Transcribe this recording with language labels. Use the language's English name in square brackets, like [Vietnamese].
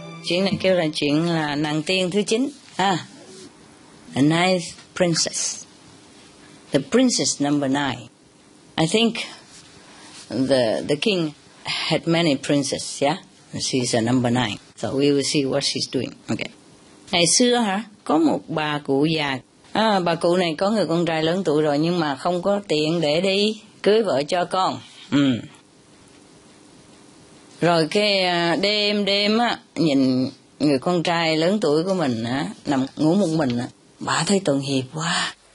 [Vietnamese] Chuyện này kêu là chuyện là nàng tiên thứ 9, [English] a ninth princess, the princess number 9. I think the king had many princes, yeah? She's a number 9. So we will see what she's doing. Okay. [Vietnamese] Ngày xưa hả, có một bà cụ già. À, bà cụ này có người con trai lớn tuổi rồi nhưng mà không có tiền để đi cưới vợ cho con. Ừ. Rồi cái đêm á, nhìn người con trai lớn tuổi của mình á, nằm ngủ một mình á, bà thấy tội nghiệp quá.